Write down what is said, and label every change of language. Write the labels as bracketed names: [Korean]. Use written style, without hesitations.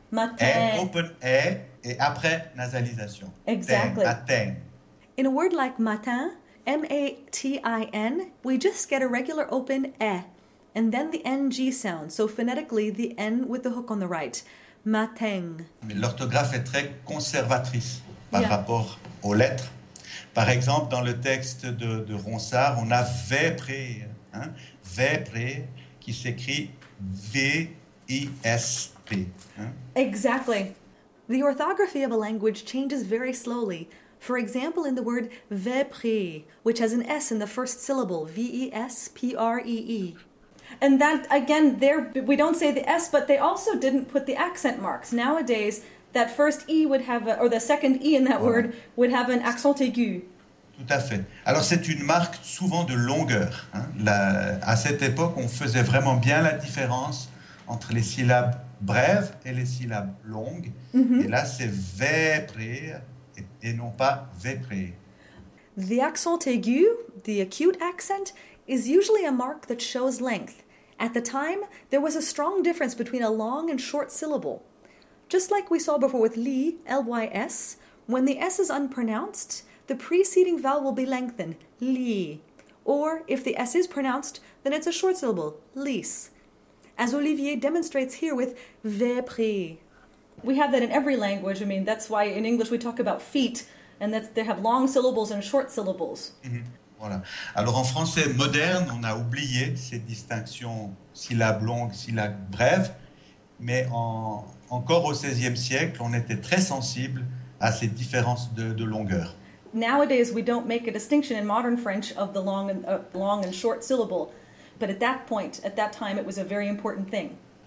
[French] Matin. Et open E, et après nasalisation. [English] Exactly. [French] Teng, matin. [English] In a word like matin, M-A-T-I-N, we just get a regular open E. And then the NG sound, so phonetically the N with the hook on the right. Mateng. [French] Mais l'orthographe est très conservatrice par rapport aux lettres. Par exemple, dans le texte de Ronsard, on a Vepré, hein, Vepré, qui s'écrit V-I-S-P. Hein. [English] Exactly. The orthography of a language changes very slowly. For example, in the word Vepré, which has an S in the first syllable, V-E-S-P-R-E-E. And that, again, there we don't say the S, but they also didn't put the accent marks. Nowadays, that first E would have, or the second E in that word, would have an accent aigu. [French] Tout à fait. Alors, c'est une marque souvent de longueur. Hein? À cette époque, on faisait vraiment bien la différence entre les syllabes brèves et les syllabes longues. Mm-hmm. Et là, c'est vépré et non pas vépré. [English] The accent aigu, the acute accent, is usually a mark that shows length. At the time, there was a strong difference between a long and short syllable. Just like we saw before with li, L-Y-S, when the S is unpronounced, the preceding vowel will be lengthened, li. Or, if the S is pronounced, then it's a short syllable, lis. As Olivier demonstrates here with vépré. We have that in every language. I mean, that's why in English we talk about feet, and that they have long syllables and short syllables. [French] Mm-hmm. Voilà. Alors en français moderne, on a oublié ces distinctions syllabes longues, syllabes brèves, mais encore au XVIe siècle, on était très sensible à ces différences de longueur. [English] Nowadays, we don't make a distinction in modern French of the long and short syllable, but at that point, at that time, it was a very important thing.